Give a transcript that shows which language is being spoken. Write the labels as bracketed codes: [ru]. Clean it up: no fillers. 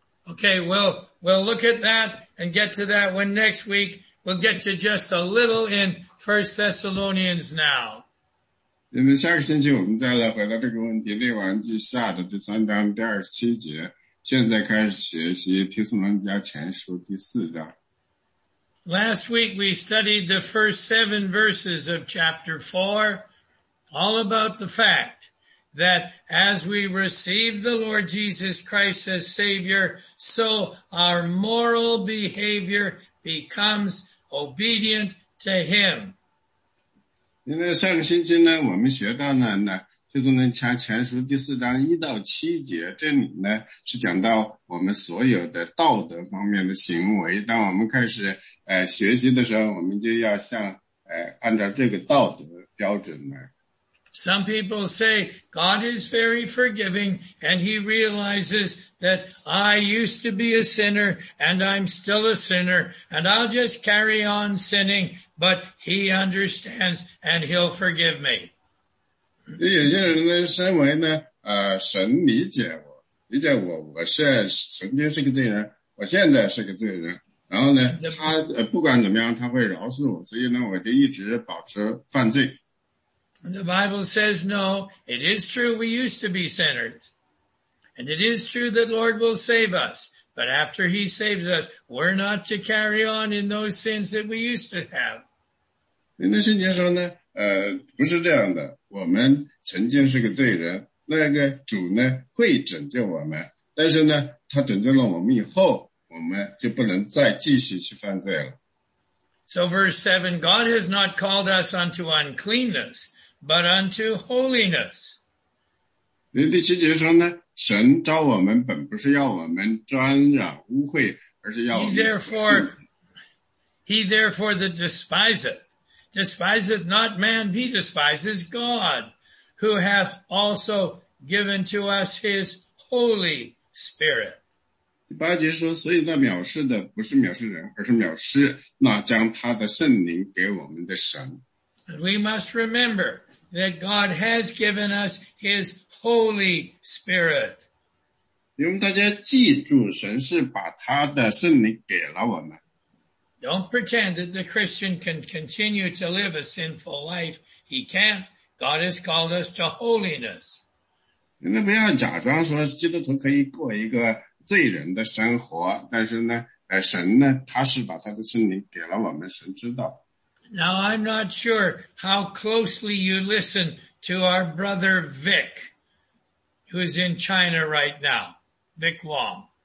[en] Okay, we'll look at that and get to that when next week we'll get to just a little in 1 Thessalonians now. [zh] 因为下个星期我们再来回答这个问题，列王记下的第三章第二十七节，现在开始学习提斯门家前书第四章。 [en] Last week we studied the first 7 verses of chapter 4, all about the fact that as we receive the Lord Jesus Christ as Savior, so our moral behavior becomes obedient to Him. [zh] 因为上个星期呢，我们学到呢，就是呢，前书第四章一到七节，这里呢是讲到我们所有的道德方面的行为。当我们开始学习的时候，我们就要像按照这个道德标准呢。 [en] Some people say God is very forgiving, and He realizes that I used to be a sinner, and I'm still a sinner, and I'll just carry on sinning. But He understands, and He'll forgive me. [zh] 有些人呢，身为呢，神理解我，理解我，我是曾经是个罪人，我现在是个罪人，然后呢，他不管怎么样，他会饶恕我，所以呢，我就一直保持犯罪。 [en] The Bible says, no, it is true we used to be sinners. And it is true that Lord will save us. But after he saves us, we're not to carry on in those sins that we used to have. [zh] 那圣经说呢，不是这样的。我们曾经是个罪人，那个主呢，会拯救我们。但是呢，他拯救了我们以后，我们就不能再继续去犯罪了。 [en] So verse 7, God has not called us unto uncleanness, but unto holiness. [zh] 第七节说呢，神召我们本不是要我们沾染污秽，而是要我们。 [en] He therefore that despiseth not man, he despises God, who hath also given to us his Holy Spirit. [zh] 第八节说，所以那藐视的不是藐视人，而是藐视那将他的圣灵给我们的神。 [en] We must remember that God has given us his Holy Spirit. [zh] 因为大家记住，神是把他的圣灵给了我们。 [en] Don't pretend that the Christian can continue to live a sinful life. He can't. God has called us to holiness. [zh] 那不要假装说基督徒可以过一个罪人的生活，但是呢，神呢，他是把他的圣灵给了我们，神知道。 [en] Now I'm not sure how closely you listen to our brother Vic, who is in China right now, Vic Wong.